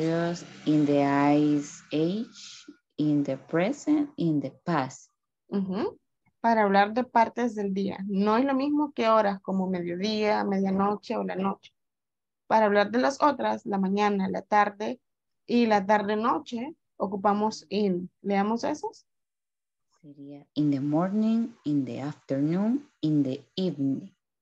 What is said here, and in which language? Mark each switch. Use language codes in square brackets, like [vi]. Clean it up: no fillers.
[en] Periods in the ice age, in the present, in the past. [es] Uh-huh. Para hablar de partes del día. No es lo mismo que horas, como mediodía, medianoche o la noche. Para hablar de las otras, la mañana, la tarde y la tarde-noche, ocupamos in. ¿Leamos esos? [en] Sería in the morning, in the afternoon, in the evening.